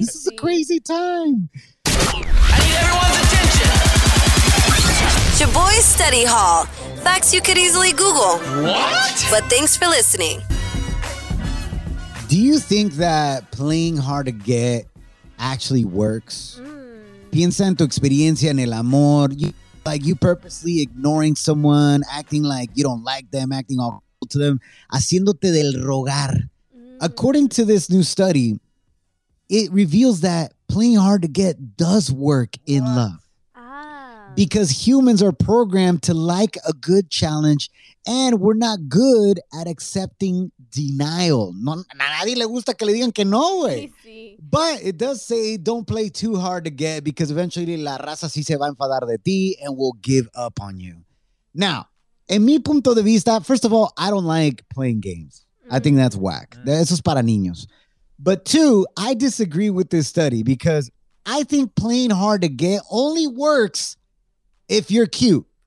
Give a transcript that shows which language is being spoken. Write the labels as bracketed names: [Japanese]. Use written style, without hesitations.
[English] This is a crazy time. I need everyone's attention. It's your boy, Study Hall. Facts you could easily Google. What? But thanks for listening. Do you think that playing hard to get actually works? Mm. [Spanish] Piensa en tu experiencia en el amor. [English] You purposely ignoring someone, acting like you don't like them, acting all cool to them, [Spanish] haciéndote del rogar. [English] Mm. According to this new study, it reveals that playing hard to get does work in love. Because humans are programmed to like a good challenge, and we're not good at accepting denial. [Spanish] No, a nadie le gusta que le digan que no, güey. Sí, sí. [English] But it does say don't play too hard to get, because eventually [Spanish] la raza sí se va a enfadar de ti [English] and will give up on you. Now, [Spanish] en mi punto de vista, [English] first of all, I don't like playing games. Mm-hmm. I think that's whack. Mm-hmm. [Spanish] Eso es para niños. [English] But two, I disagree with this study, because I think playing hard to get only works if you're cute.